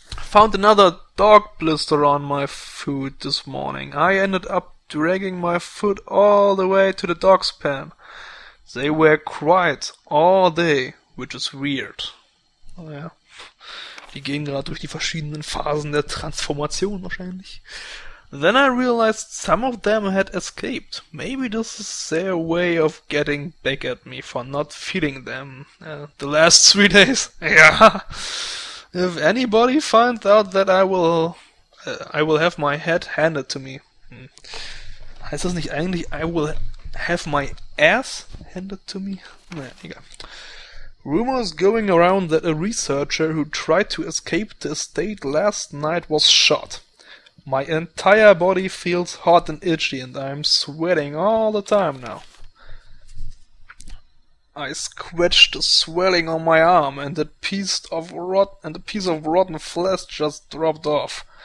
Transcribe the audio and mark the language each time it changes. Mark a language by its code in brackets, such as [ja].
[en] Found another dog blister on my foot this morning. I ended up dragging my foot all the way to the dog's pen. They were quiet all day, which is weird. [de] Oh ja. Die gehen gerade durch die verschiedenen Phasen der Transformation wahrscheinlich. [en] Then I realized some of them had escaped. Maybe this is their way of getting back at me for not feeding them the last 3 days. Ja. If anybody finds out that I will have my head handed to me. [de] Heißt das nicht eigentlich, [en] I will have my ass handed to me? [de] Naja, egal. [en] Rumors going around that a researcher who tried to escape the estate last night was shot. My entire body feels hot and itchy and I'm sweating all the time now. I scratched the swelling on my arm and a piece of rotten flesh just dropped off.